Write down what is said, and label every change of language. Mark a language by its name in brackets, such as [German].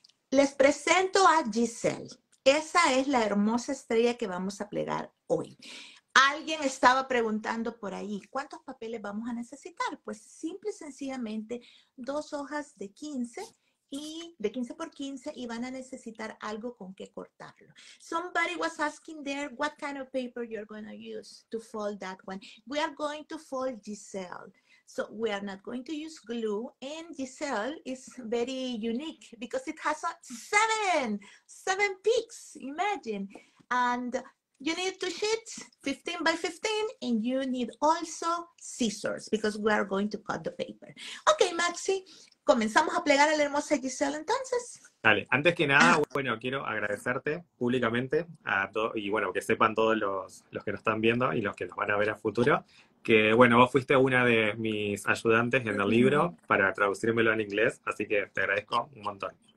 [Spanish] Les presento a Giselle. Esa es la hermosa estrella que vamos a plegar hoy. Alguien estaba preguntando por ahí, ¿cuántos papeles vamos a necesitar? Pues simple y sencillamente dos hojas de 15. Y de 15 por 15, y van a necesitar algo con que cortarlo. [English] Somebody was asking there what kind of paper you're going to use to fold that one. We are going to fold Giselle. So we are not going to use glue. And Giselle is very unique because it has seven peaks, imagine. And you need two sheets, 15 by 15. And you need also scissors because we are going to cut the paper. Okay, Maxi. [Spanish] ¿Comenzamos a plegar a la hermosa Giselle entonces? Dale, antes que nada, bueno, quiero agradecerte públicamente a todos, y bueno, que sepan todos los que nos están viendo y los que nos van a ver a futuro, que bueno, vos fuiste una de mis ayudantes en el libro para traducírmelo al inglés, así que te agradezco un montón.